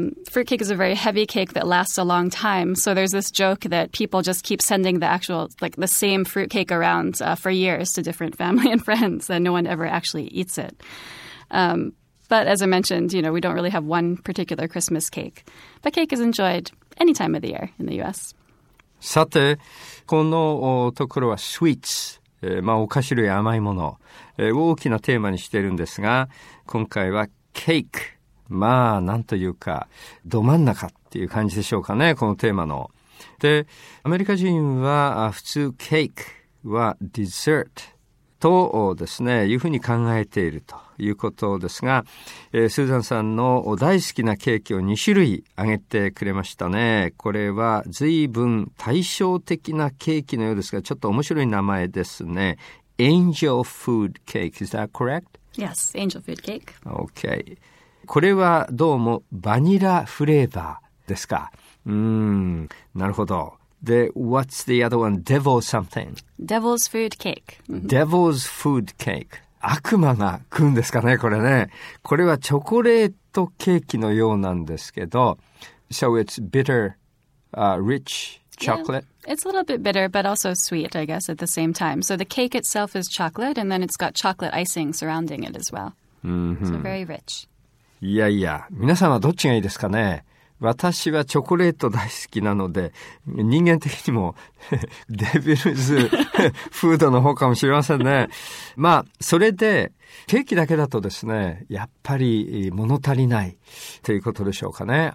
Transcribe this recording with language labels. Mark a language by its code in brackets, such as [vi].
[en] Fruitcake is a very heavy cake that lasts a long time, so there's this joke that people just keep sending the actual, like, the same fruitcake around for years to different family and friends, and no one ever actually eats it. But as I mentioned, you know, we don't really have one particular Christmas cake. But cake is enjoyed any time of the year in the U.S. [ja] さて、このところはスイーツ、まあお菓子類、甘いもの、大きなテーマにしているんですが、今回はケーク、まあなんというかど真ん中っていう感じでしょうかね、このテーマの。で、アメリカ人は普通ケークはデザートとですね、いうふうに考えていると。いうことですが、スーザンさんの大好きなケーキを2種類挙げてくれましたね。これは随分対照的なケーキのようですが、ちょっと面白い名前ですね。 [en] Angel food cake. Is that correct? Yes, angel food cake. Okay. [ja] これはどうもバニラフレーバーですか。なるほど。で、 [en] what's the other one? Devil something. Devil's food cake. Devil's food cake. [ja] 悪魔が食うんですかね、これね。これはチョコレートケーキのようなんですけど。 [en] So it's bitter, rich chocolate. Yeah, it's a little bit bitter, but also sweet, I guess, at the same time. So the cake itself is chocolate, and then it's got chocolate icing surrounding it as well. So very rich. [ja] いやいや、皆さんはどっちがいいですかね。私はチョコレート大好きなので、人間的にもデビルズフードの方かもしれませんね。まあ、それでケーキだけだとですね、やっぱり物足りないということでしょうかね。